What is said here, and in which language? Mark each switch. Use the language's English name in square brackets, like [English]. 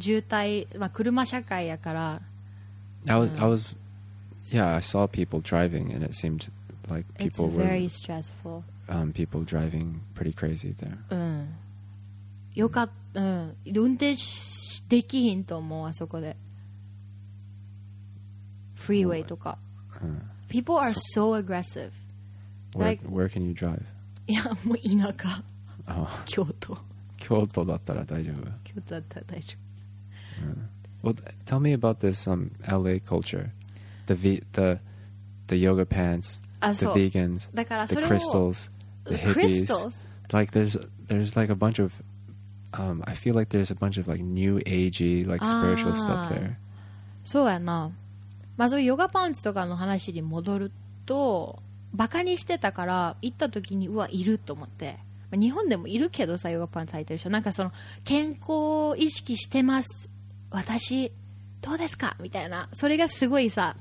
[Japanese] 渋滞、まあ、車社会やから。 [English] I saw people driving and it seemed like people were. It's very stressful. People driving pretty crazy there. [Japanese] よかった。運転できひんと思うあそこで。 [English] Freeway とか。People are so aggressive. Where can you drive? [Japanese] いやもう田舎、 oh. 京都だったら大丈夫京都だったら大丈夫、 [English] Well, tell me about this LA culture the yoga pants the vegans the crystals the hippies like there's like a bunch of I feel like there's a bunch of like new agey like spiritual stuff there [Japanese] そうやなまずヨガパンツとかの話に戻るとバカにしてたから行った時にうわいると思って、まあ、日本でもいるけどさヨガパンツ履いてるでしょなんかその健康を意識してます私どうですかみたいなそれがすごいさ